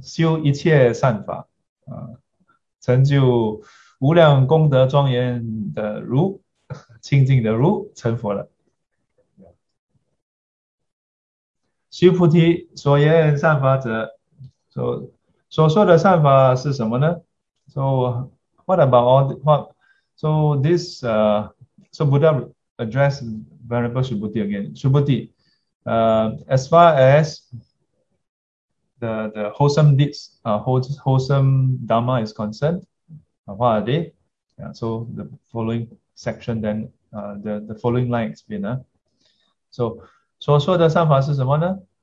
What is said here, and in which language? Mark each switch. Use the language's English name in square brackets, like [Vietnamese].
[Chinese] 修一切善法, 成就无量功德庄严的如, 清净的如, 成佛了。须菩提所言善法者, 所说的善法是什么呢? [English] So, what about all this? So, this, so Buddha addressed Venerable Subhuti again. Subhuti, as far as the wholesome deeds, wholesome Dharma is concerned, what are they? Yeah, so the following section then, the following line explain. So, [Chinese] 所说的善法是什么呢?